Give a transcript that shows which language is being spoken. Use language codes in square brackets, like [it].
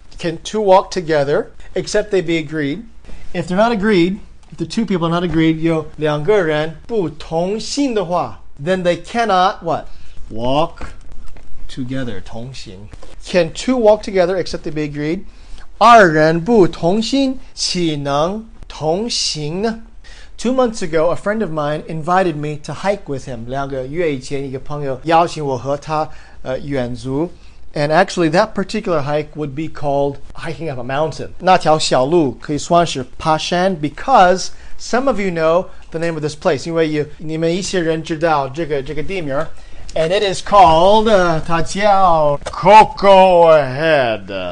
[en] Can two walk together except they be agreed? If they're not agreed, if the two people are not agreed, [zh] 有两个人不同心的话， [en] then they cannot what? Walk together, [zh] 同行。 [en] Can two walk together except they be agreed? [zh] 二人不同心，岂能同行呢？ [en] 2 months ago, a friend of mine invited me to hike with him. [zh] 两个月以前，一个朋友邀请我和他远足。 [en] And actually, that particular hike would be called hiking up a mountain. [zh] 那条小路可以算是爬山 [en] because some of you know the name of this place. [zh] 因为你们一些人知道这个地名。 [en] And it is called, [zh] 它叫 [en] Coco Head.